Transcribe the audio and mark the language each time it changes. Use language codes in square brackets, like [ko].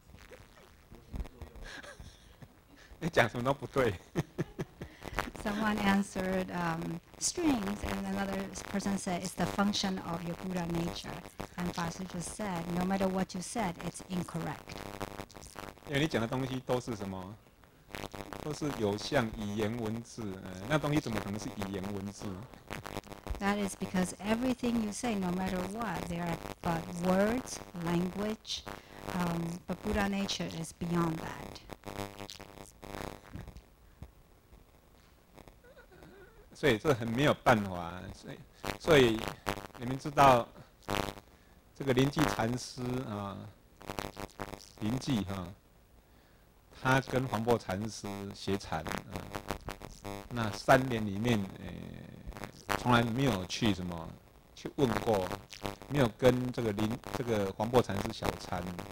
[en] Strings. [zh] 你讲什么都不对。 [en] Someone answered strings, and another person said it's the function of your Buddha nature. And Basu just said, no matter what you said, it's incorrect. [zh] 因为你讲的东西都是什么？都是有像语言文字，那东西怎么可能是语言文字？ [en] That is because everything you say, no matter what, they are but words, language, but Buddha nature is beyond that. [zh] 所以这很没有办法，所以你们知道这个临济禅师啊，临济哈，他跟黄檗禅师学禅啊，那三年里面，从来没有去什么去问过，没有跟这个黄檗禅师小禅。